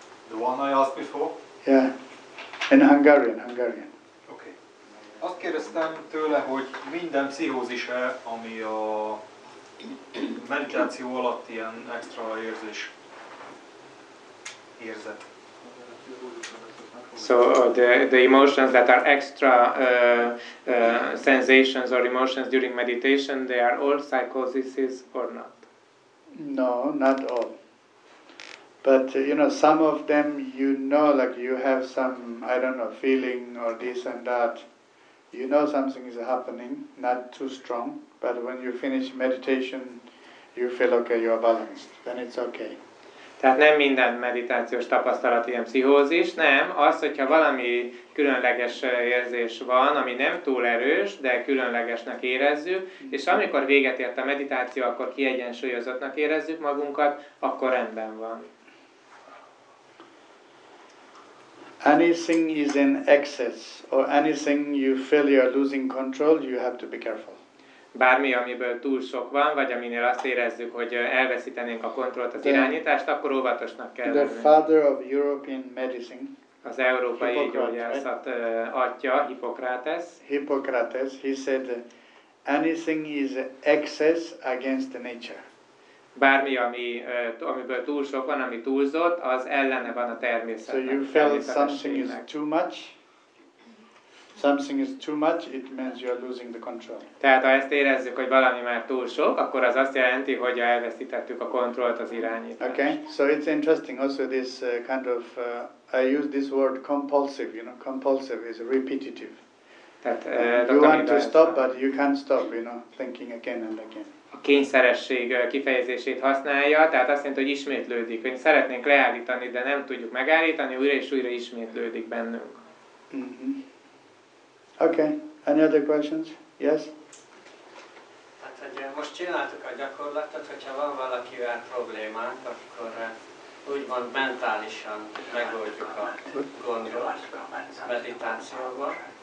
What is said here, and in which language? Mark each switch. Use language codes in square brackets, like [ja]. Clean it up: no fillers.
[en] The one I asked before? Yeah, in Hungarian. Okay. [hu] Azt kérdeztem tőle, hogy minden pszichózise, ami a meditáció alatt ilyen extra érzés érzett. [en] So the emotions that are extra sensations or emotions during meditation, they are all psychoses or not? No, not all. But you know, some of them, you know, like you have some, I don't know, feeling or this and that. You know something is happening, not too strong. But when you finish meditation, you feel okay, you are balanced. Then it's okay. [hu] Tehát nem minden meditációs tapasztalat ilyen pszichózis, nem. Az, hogyha valami különleges érzés van, ami nem túl erős, de különlegesnek érezzük, és amikor véget ért a meditáció, akkor kiegyensúlyozottnak érezzük magunkat, akkor rendben van. [en] Anything is in excess, or anything you feel you are losing control, you have to be careful. [hu] Bármi, amiből túl sok van, vagy aminél azt érezzük, hogy elveszítenénk a kontrollt, az irányítást, akkor óvatosnak kell lenni. [en] The father of European medicine, [hu] az európai gyógyászat atya, Hippocrates. [en] Hippocrates, he said, anything is excess against the nature. [hu] Bármi, amiből túl sok van, ami túlzott, az ellene van a természetnek. [en] So you felt something is too much. Something is too much, it means you are losing the control. [hu] Tehát ha ezt érezzük, hogy valami már túl sok, akkor az azt jelenti, hogy elvesztettük a kontrollt, az irányítást. [en] Okay, so it's interesting also this kind of, I use this word compulsive, you know, compulsive is repetitive. [hu] Tehát, [en] you want to stop, but you can't stop, you know, thinking again and again. [hu] A kényszeresség kifejezését használja, tehát azt jelenti, hogy ismétlődik. Hogy szeretnénk leállítani, de nem tudjuk megállítani, újra és újra ismétlődik bennünk. Mm-hmm. Okay, any other questions? Yes? Hát, hogy most csináltuk a gyakorlatot, hogyha van valakivel problémát, akkor úgymond mentálisan megoldjuk a gondot meditációval.